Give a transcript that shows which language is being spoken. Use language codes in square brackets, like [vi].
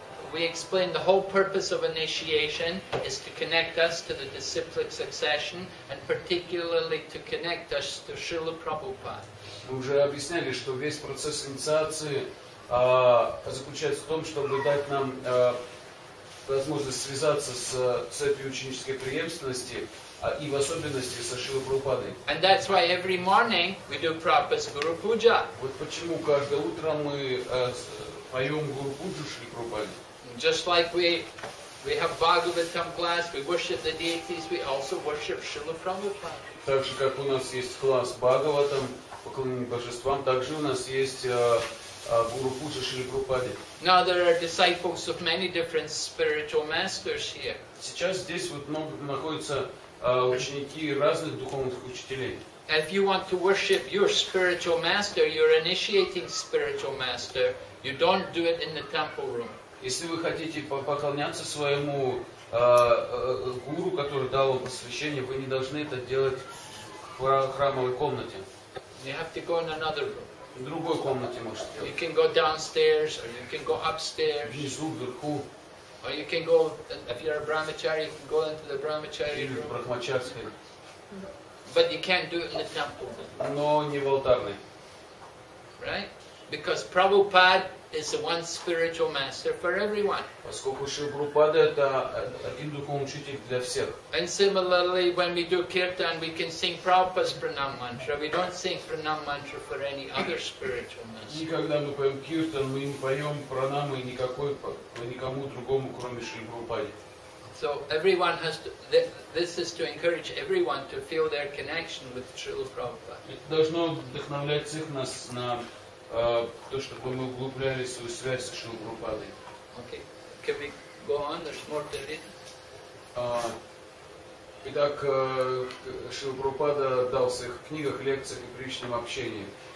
[en] We explain the whole purpose of initiation is to connect us to the disciplic succession and particularly to connect us to Srila Prabhupada. [ru] Мы уже объясняли, что весь процесс инициации заключается в том, чтобы дать нам возможность связаться с цепью ученической преемственности и в особенности со Шрилой Прабхупадой. [en] And that's why every morning we do Prabhupada's Guru Puja. [ru] Вот почему каждое утро мы поем Гуру Пуджу Шри Прабхупаде. [en] Just like we have Bhagavatam class, we worship the deities, we also worship Srila Prabhupada. [ru] Так же, как у нас есть класс Бхагаватам, поклонение божествам, также у нас есть Гуру Пуджа Шри Прабхупаде. [en] Now there are disciples of many different spiritual masters here. [ru] Сейчас здесь вот много находятся ученики разных духовных учителей. [en] If you want to worship your spiritual master, your initiating spiritual master, you don't do it in the temple room. [ru] Если вы хотите поклоняться своему гуру, который дал вам посвящение, вы не должны это делать в храмовой комнате. [en] You have to go in another room. [ru] В другой комнате можете делать. [en] You can go downstairs, or you can go upstairs. [ru] Внизу, вверху. [en] Or you can go, if you're a brahmachari, you can go into the brahmachari room. [ru] Или в брахмачарской. [en] But you can't do it in the temple. [ru] Но не в алтарной. [en] Right? Because Prabhupada is the one spiritual master for everyone. [ru] Поскольку Шрила Прабхупада это один духовный учитель для всех. [en] And similarly, when we do kirtan, we can sing Prabhupada's pranam mantra. We don't sing pranam mantra for any other spiritual master. [ru] Никогда мы поем киртан, мы не поем пранамы никому другому, кроме Шрилы Прабхупады. [en] So everyone has to. This is to encourage everyone to feel their connection with Srila Prabhupada. [ru] Это должно вдохновлять всех нас на то, чтобы мы углубляли свою связь с Шрилой Прабхупадой. [en] Okay. Can we go on? There's more to read. [ru] Итак, Шрила Прабхупада дал в своих книгах, лекциях и приличном общении.